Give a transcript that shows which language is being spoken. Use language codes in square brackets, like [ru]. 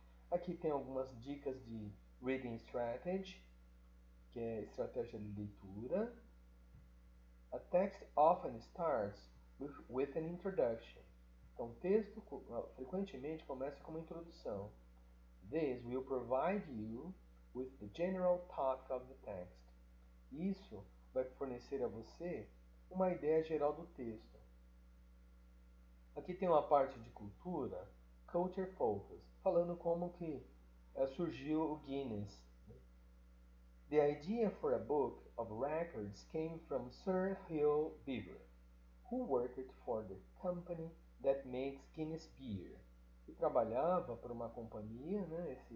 [pt] Aqui tem algumas dicas de reading strategy, que é estratégia de leitura. [en] A text often starts with an introduction. [pt] Então, o texto frequentemente começa com uma introdução. [en] This will provide you with the general topic of the text. [pt] Isso vai fornecer a você uma ideia geral do texto. Aqui tem uma parte de cultura, culture focus, falando como que surgiu o Guinness. [en] The idea for a book of records came from Sir Hill Beaver, who worked for the company that makes Guinness beer. [pt] Que trabalhava para uma companhia, né,